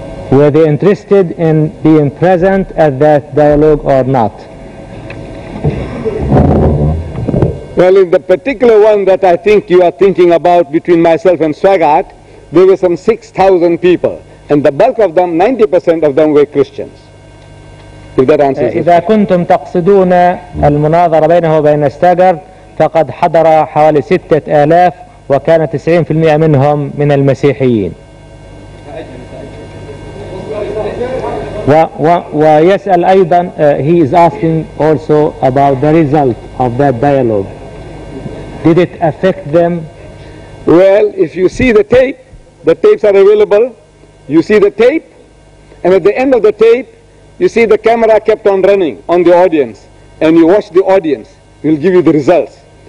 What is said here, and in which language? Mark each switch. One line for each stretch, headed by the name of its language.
English: Were they interested in being present at that dialogue or not? Well, in the particular one that I think you are thinking about between myself and Swaggart, there were some 6,000 people, and the bulk of them, 90% of them were Christians. If that answers it.
Arabic: إذا كنتم تقصدون المناظرة بينه وبين ستاغارت، فقد حضر حوالي 6,000، وكان 90% منهم من المسيحيين. ويسأل أيضا,
English: he is asking also about the result of that dialogue. Did it affect them? Well, if you see the tapes are available, you see the tape, and at the end of the tape, you see the camera kept on running on the audience, and you watch the audience, it will give you the results.